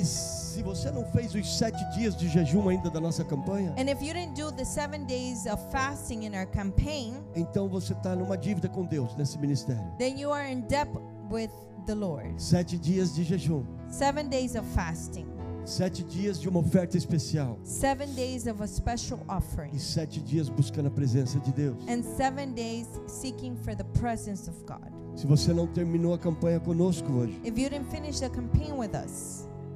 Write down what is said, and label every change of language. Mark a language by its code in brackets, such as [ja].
[pt] E se você não fez os 7 dias de jejum ainda da nossa campanha? [en] And if you didn't do the 7 days of fasting in our campaign? [pt] Então você está numa dívida com Deus nesse ministério. [en] Then you are in debt with the Lord. [pt] 7 dias de jejum. [en] 7 days of fasting. [pt] 7 dias de uma oferta especial. [en] 7 days of a special offering. [pt] E 7 dias buscando a presença de Deus. [en] And 7 days seeking for the presence of God. [pt] Se você não terminou a campanha conosco hoje, [en] if you didn't finish the campaign with us,